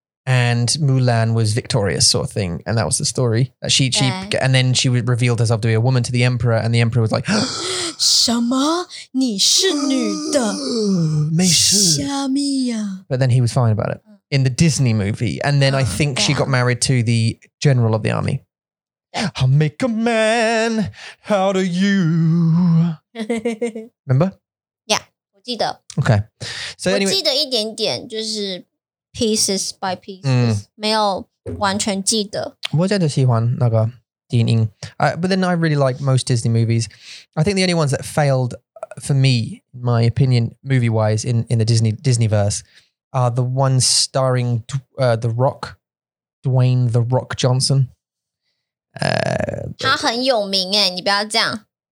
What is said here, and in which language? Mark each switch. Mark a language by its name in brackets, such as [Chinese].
[English] And Mulan was victorious sort of thing. And that was the story. And then she revealed herself to be a woman to the emperor. And the emperor was like, [Chinese] 什么?你是女的?没事。下面呀? [English] But then he was fine about it in the Disney movie. And then I think she got married to the general of the army. I'll make a man out of you. Remember? Yeah, [Chinese] 我记得. [English] Okay. So anyway, [Chinese] 我记得一点点就是 [English] pieces by pieces. [Chinese] 没有完全记得. 我真的喜欢那个电影. [English] But then I really like most Disney movies. I think the only ones that failed for me, in my opinion, movie-wise, in the Disney-verse, are the ones starring The Rock, Dwayne The Rock Johnson. [Chinese] 他很有名耶,你不要这样.